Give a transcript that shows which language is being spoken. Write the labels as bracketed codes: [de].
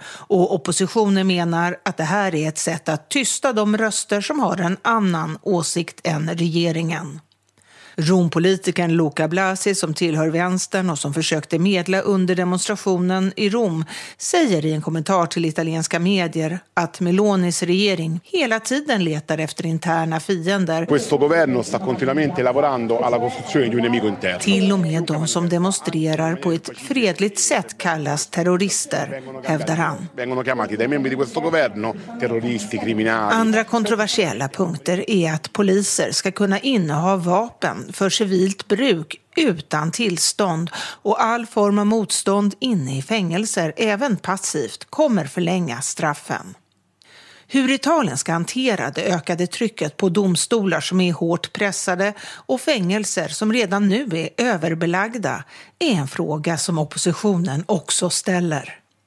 [sv] Och oppositionen menar att det här är ett sätt att tysta de röster som har en annan åsikt än regeringen. Rompolitikern Luca Blasi, som tillhör vänstern och som försökte medla under demonstrationen i Rom, säger i en kommentar till italienska medier att Melonis regering hela tiden letar efter interna fiender. [it] Questo governo sta continuamente lavorando alla costruzione di un nemico interno. [sv] Till och med de som demonstrerar på ett fredligt sätt kallas terrorister, hävdar han. [it] Vengono chiamati dai membri di questo governo terroristi, criminali. [sv] Andra kontroversiella punkter är att poliser ska kunna inneha vapen för civilt bruk utan tillstånd, och all form av motstånd inne i fängelser, även passivt, kommer förlänga straffen. Hur Italien ska hantera det ökade trycket på domstolar som är hårt pressade och fängelser som redan nu är överbelagda är en fråga som oppositionen också ställer.